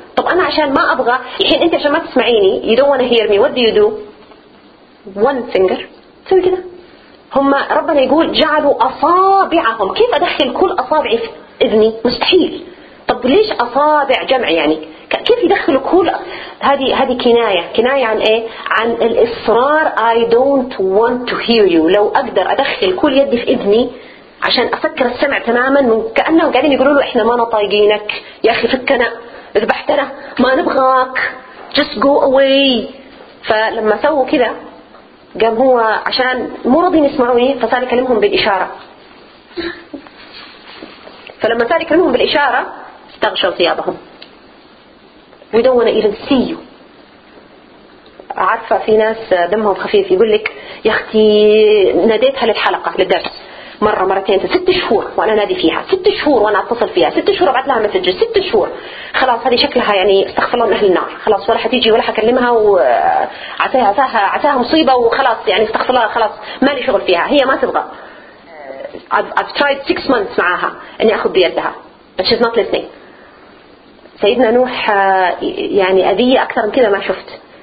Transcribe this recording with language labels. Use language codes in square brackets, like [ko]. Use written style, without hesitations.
[ar] طب انا عشان ما ابغى الحين انت عشان ما تسمعيني [en] you don't want to hear me what do you do one finger [ar] سوي كده. هم ربنا يقول جعلوا اصابعهم. كيف ادخل كل اصابعي في اذني؟ مستحيل. طب ليش اصابع جمع يعني؟ كيف يدخلوا كل هذه كناية. كناية عن ايه؟ عن الاصرار [en] I don't want to hear you. [ar] لو اقدر ادخل كل يدي في اذني عشان افكر السمع تماما كأنهم قاعدين يقولوا له احنا ما نطايقينك يا اخي فكنا اذبحتنا ما نبغاك [en] just go away. [ar] فلما سووا كذا قام هو عشان مو راضين يسمعوني فصار يكلمهم بالإشارة. فلما صار يكلمهم بالإشارة استغشوا ثيابهم. [en] We don't want to even see you. [ar] عارفة في ناس دمهم خفيف يقول لك يا اختي ناديتها للحلقة للدرس مرة مرتين ست شهور وأنا نادي فيها ست شهور وأنا أتصل فيها ست شهور وبعت لها مسج ست شهور خلاص هذه شكلها يعني استغفر الله من أهل النار خلاص ولا حتيجي ولا حكلمها وعساها مصيبة وخلاص يعني استغفر الله خلاص ما لي شغل فيها هي ما تبغى. [en] I've tried six months [ar] معاها أني أخذ بيدها [en] but she's not listening. [ar] سيدنا نوح يعني أذية أكثر من كذا ما شفت.